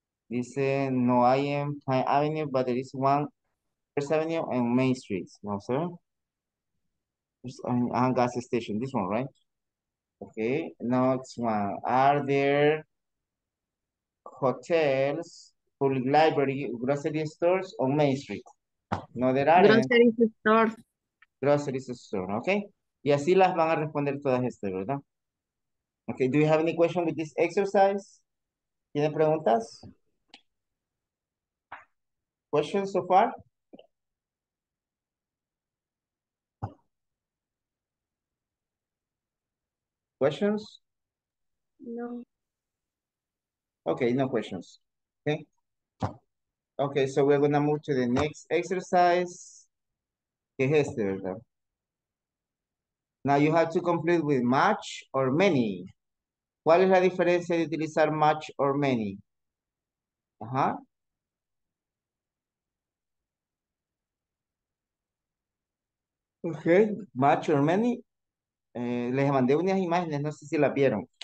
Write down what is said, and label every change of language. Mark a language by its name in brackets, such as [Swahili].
[Spanish] Dice no hay en [English] Pine Avenue, but there is one First Avenue and Main Street. No, sir. And gas station, this one, right? Okay, next one. Are there hotels, public library, grocery stores on Main Street? No, there are grocery stores. Grocery store, okay? [Spanish] Y así las van a responder todas estas, ¿verdad? [English] Okay, do you have any question with this exercise? [Spanish] ¿Tienen preguntas? [English] Questions so far? Questions? No. Okay, no questions. Okay. Okay, so we're gonna move to the next exercise. [Spanish] ¿Qué es este, verdad? [English] Now you have to complete with much or many. [Spanish] ¿Cuál es la diferencia de utilizar [English] much or many? Okay, much or many. [Spanish] Les mandé unas imágenes, no sé si la vieron.